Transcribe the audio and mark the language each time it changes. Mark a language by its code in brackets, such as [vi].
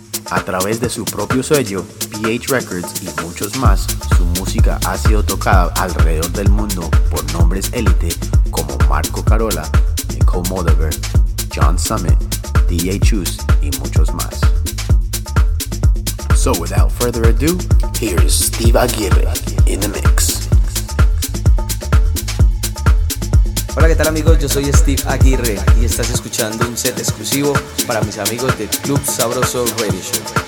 [es] A través de su propio sello, PH Records y muchos más, su música ha sido tocada alrededor del mundo por nombres élite como Marco Carola, Nicole Moldaver, John Summit, DJ Choose y muchos más. [en] So without further ado, here's Steve Aguirre in the mix. [es] Hola, ¿qué tal amigos? Yo soy Steve Aguirre y estás escuchando un set exclusivo para mis amigos del Club Sabroso Radio Show.